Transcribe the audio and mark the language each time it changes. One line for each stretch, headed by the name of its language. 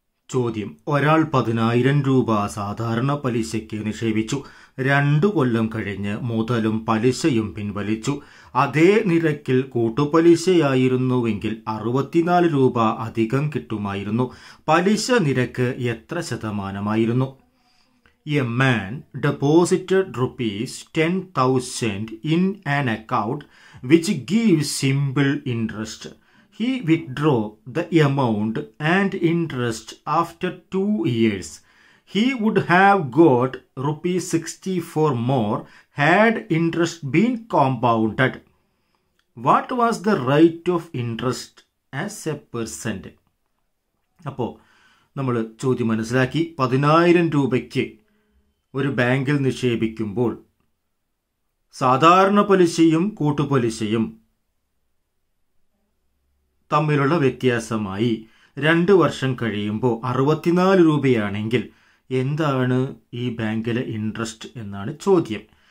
Malayalam: ചോദ്യം: ഒരാൾ 10,000 രൂപ സാധാരണ പലിശയ്ക്ക് നിക്ഷേപിച്ചു. 2 കൊല്ലം കഴിഞ്ഞ് മുതലും പലിശയും പിൻവലിച്ചു. അതേ നിരക്കിൽ കൂട്ടുപലിശയായിരുന്നുവെങ്കിൽ 64 രൂപ അധികം കിട്ടുമായിരുന്നു. പലിശ നിരക്ക് എത്ര ശതമാനമായിരുന്നു?
English: A man deposited ₹10,000 in an account which gives simple interest. He withdrew the amount and interest after 2 years. He would have got ₹64 more had interest been compounded. What was the rate of interest as a percent?
Malayalam: അപ്പോൾ നമ്മൾ ചോദ്യം മനസ്സിലാക്കി. 10,000 രൂപയ്ക്ക് ഒരു ബാങ്കിൽ നിക്ഷേപിക്കുമ്പോൾ സാധാരണ പലിശയും കൂട്ടുപലിശയും തമ്മിലുള്ള വ്യത്യാസമായി 2 വർഷം കഴിയുമ്പോൾ 64 രൂപയാണെങ്കിൽ എന്താണ് ഈ ബാങ്കിലെ ഇൻട്രസ്റ്റ് എന്നാണ് ചോദ്യം.